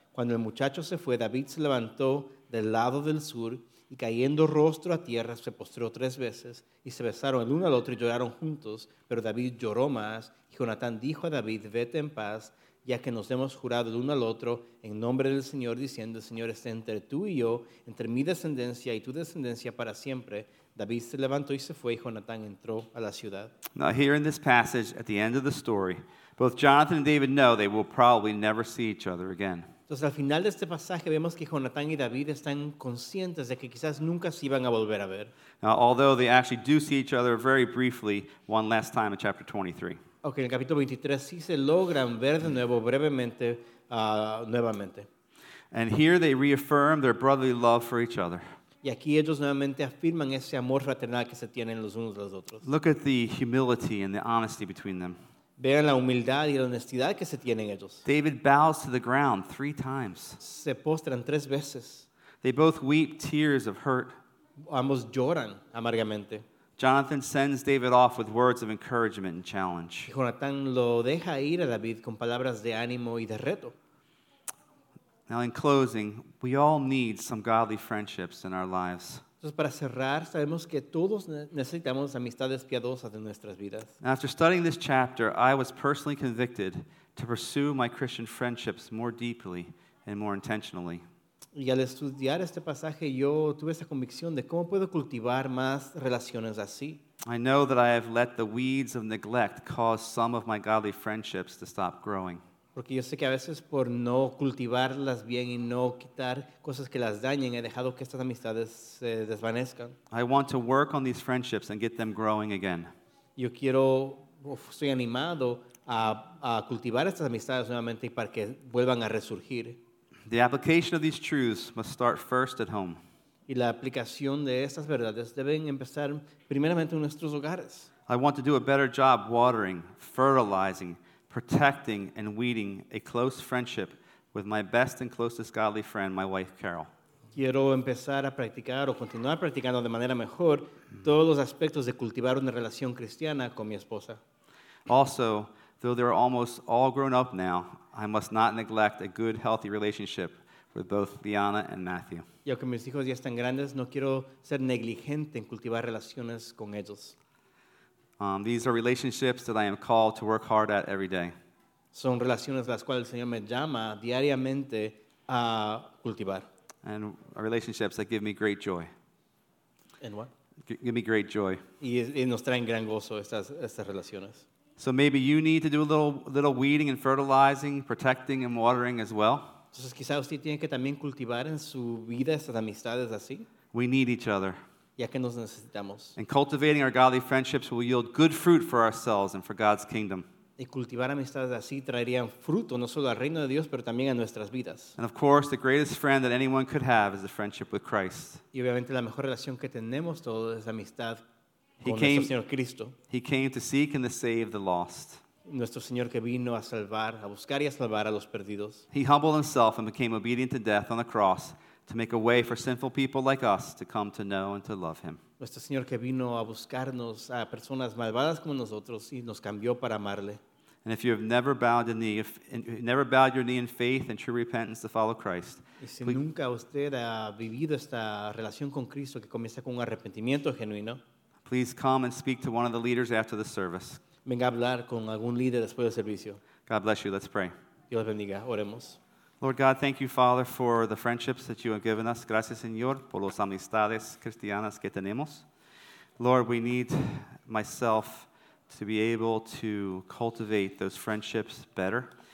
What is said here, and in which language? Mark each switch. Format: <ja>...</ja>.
<es>Cuando el muchacho se fue, David se levantó del lado del sur y cayendo rostro a tierra se postró tres veces y se besaron el uno al otro y lloraron juntos. Pero David lloró más y Jonatán dijo a David, "Vete en paz, ya que nos hemos jurado el uno al otro en nombre del Señor, diciendo, 'El Señor esté entre tú y yo, entre mi descendencia y tu descendencia para siempre.'" David se levantó y se fue y Jonatán entró a la ciudad.</es> <en>Now here in this passage, at the end of the story, both Jonathan and David know they will probably never see each other again.</en> <es>Entonces, al final de este pasaje vemos que Jonatán y David están conscientes de que quizás nunca se iban a volver a ver.</es> <en>Now, although they actually do see each other very briefly one last time in chapter 23.</en> <es>Okay, en el capítulo 23 sí se logran ver de nuevo brevemente, nuevamente.</es> <en>And here they reaffirm their brotherly love for each other.</en> <es>Y aquí ellos nuevamente afirman ese amor fraternal que se tienen los unos los otros.</es> <en>Look at the humility and the honesty between them.</en> <es>Vean la humildad y la honestidad que se tienen ellos.</es> <en>David bows to the ground three times.</en> <es>Se postran tres veces.</es> <en>They both weep tears of hurt.</en> <es>Ambos lloran amargamente.</es> <en>Jonathan sends David off with words of encouragement and challenge.</en> <es>Jonatán lo deja ir a David con palabras de ánimo y de reto.</es> <en>Now in closing, we all need some godly friendships in our lives.</en> <es>Entonces, para cerrar, sabemos que todos necesitamos amistades piadosas en nuestras vidas.</es> <en>After studying this chapter, I was personally convicted to pursue my Christian friendships more deeply and more intentionally.</en> <es>Y al estudiar este pasaje, yo tuve esa convicción de cómo puedo cultivar más relaciones así.</es> <en>I know that I have let the weeds of neglect cause some of my godly friendships to stop growing.</en> <es>Porque yo sé que a veces por no cultivarlas bien y no quitar cosas que las dañen, he dejado que estas amistades se desvanezcan.</es> <en>I want to work on these friendships and get them growing again.</en> <es>Yo quiero, estoy animado a cultivar estas amistades nuevamente para que vuelvan a resurgir.</es> <en>The application of these truths must start first at home.</en> <es>Y la aplicación de estas verdades deben empezar primeramente en nuestros hogares.</es> <en>I want to do a better job watering, fertilizing, protecting and weeding a close friendship with my best and closest godly friend, my wife Carol.</en> <es>Quiero empezar a practicar o continuar practicando de manera mejor todos los aspectos de cultivar una relación cristiana con mi esposa.</es> <en>Also, though they're almost all grown up now, I must not neglect a good, healthy relationship with both Liana and Matthew.</en> <es>Y aunque mis hijos ya están grandes, no quiero ser negligente en cultivar relaciones con ellos.</es> <en>These are relationships that I am called to work hard at every day.</en> <es>Son relaciones las cuales el Señor me llama diariamente a cultivar.</es> <en>And relationships that give me great joy. And what? Give me great joy.</en> <es>Y nos traen gran gozo estas relaciones.</es> <en>So maybe you need to do a little weeding and fertilizing, protecting and watering as well.</en> <es>Entonces quizá usted tiene que también cultivar en su vida estas amistades así.</es> <en>We need each other.</en> <es>Ya que nos necesitamos.</es> <en>And cultivating our godly friendships will yield good fruit for ourselves and for God's kingdom.</en> <es>Y cultivar amistades así traerían fruto no solo al reino de Dios, pero también a nuestras vidas.</es> <en>And of course, the greatest friend that anyone could have is the friendship with Christ.</en> <es>Y obviamente la mejor relación que tenemos todos es la amistad con nuestro Señor Cristo.</es> <en>He came to seek and to save the lost.</en> <es>Nuestro Señor que vino a salvar, a buscar y a salvar a los perdidos.</es> <en>He humbled himself and became obedient to death on the cross to make a way for sinful people like us to come to know and to love him.</en> <es>Nuestro Señor que vino a buscarnos a personas malvadas como nosotros y nos cambió para amarle.</es> <en>And if you have never bowed a knee, if you've never bowed your knee in faith and true repentance to follow Christ,</en> <es>y si</es> <en>please,</en> <es>nunca usted ha vivido esta relación con Cristo que comienza con un arrepentimiento genuino,</es> <en>please come and speak to one of the leaders after the service.</en> <es>Venga a hablar con algún líder después del servicio.</es> <en>God bless you. Let's pray.</en> <es>Dios bendiga. Oremos.</es> <en>Lord God, thank you, Father, for the friendships that you have given us.</en> <es>Gracias, Señor, por las amistades cristianas que tenemos.</es> <en>Lord, we need myself to be able to cultivate those friendships better.</en>